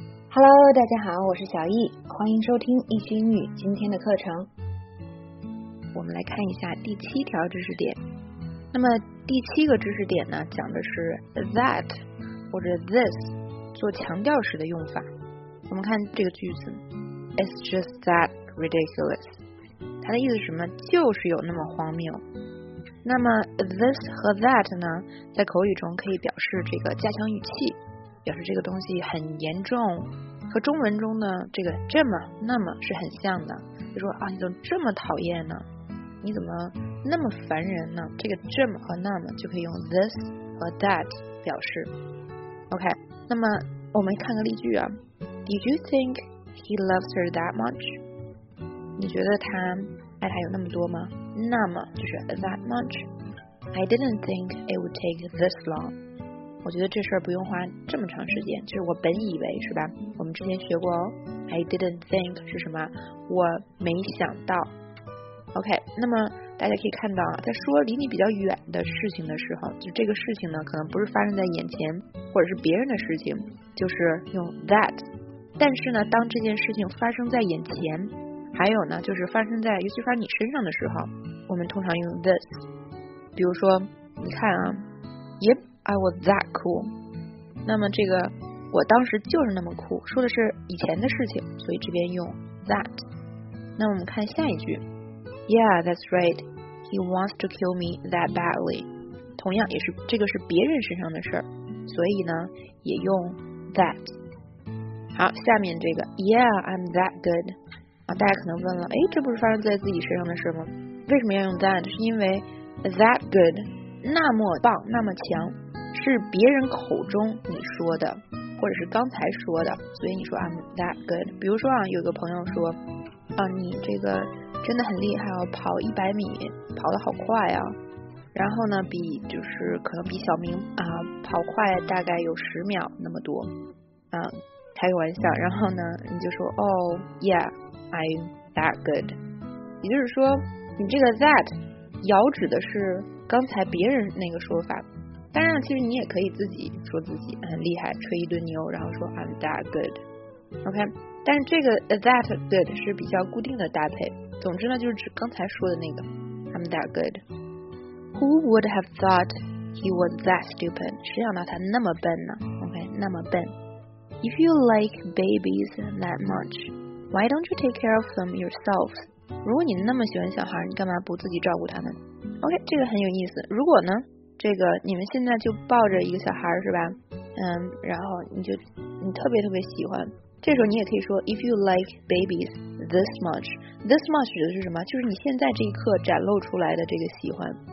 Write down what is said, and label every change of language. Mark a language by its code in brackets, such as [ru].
[zh] Hello， 大家好，我是小易，欢迎收听易学英语今天的课程。我们来看一下第七条知识点。那么第七个知识点呢，讲的是 that 或者 this 做强调时的用法。我们看这个句子 ， [en] It's just that ridiculous。 [zh] 它的意思是什么？就是有那么荒谬。那么 this 和 that 呢，在口语中可以表示这个加强语气，表示这个东西很严重，和中文中的这个这么那么是很像的。就说啊，你怎么这么讨厌呢？你怎么那么烦人呢？这个这么和那么就可以用 this 和 that 表示。 OK， 那么我们看个例句啊。 [en] Did you think he loves her that much？ [zh] 你觉得他爱他有那么多吗？那么就是 that much。 [en] I didn't think it would take this long。 [zh] 我觉得这事儿不用花这么长时间，就是我本以为是吧？我们之前学过哦。 [en] I didn't think [zh] 是什么？我没想到。 OK， 那么大家可以看到啊，在说离你比较远的事情的时候，就这个事情呢，可能不是发生在眼前，或者是别人的事情，就是用 that。但是呢，当这件事情发生在眼前，还有呢，就是发生在尤其发生你身上的时候，我们通常用 this。比如说，你看啊 ， [en] Yep, I was that cool。 [zh] 那么这个我当时就是那么酷，说的是以前的事情，所以这边用 that。那我们看下一句 ， [en] Yeah, that's right. He wants to kill me that badly。 [zh] 同样也是这个是别人身上的事儿，所以呢也用 that。好，下面这个 ， [en] Yeah, I'm that good。 [zh] 啊，大家可能问了，哎，这不是发生在自己身上的事吗？为什么要用 that？是因为 that good， 那么棒，那么强，是别人口中你说的，或者是刚才说的，所以你说 [en] I'm that good。 [zh] 比如说啊，有个朋友说，啊，你这个真的很厉害哦，跑100米，跑得好快啊。然后呢，比就是可能比小明啊跑快大概有10秒那么多，啊，开个玩笑。然后呢，你就说，哦 ，yeah。 [en] I'm that good， [zh] 也就是说，你这个 that 遥指的是刚才别人那个说法。当然，其实你也可以自己说自己很厉害，吹一顿牛，然后说 [en] I'm that good。 [zh] OK， 但是这个 that good 是比较固定的搭配。总之呢，就是指刚才说的那个 [en] I'm that good。 Who would have thought he was that stupid？ [zh] 谁想到他那么笨呢 ？OK， 那么笨。 [en] If you like babies that much。 Why don't you take care of them yourself? [zh] 如果你那么喜欢小孩，你干嘛不自己照顾他们？OK， 这个很有意思。如果呢，这个你们现在就抱着一个小孩是吧？嗯，然后你特别特别喜欢，这时候你也可以说 [en] If you like babies this much， [zh] this much 指的是什么？就是你现在这一刻展露出来的这个喜欢。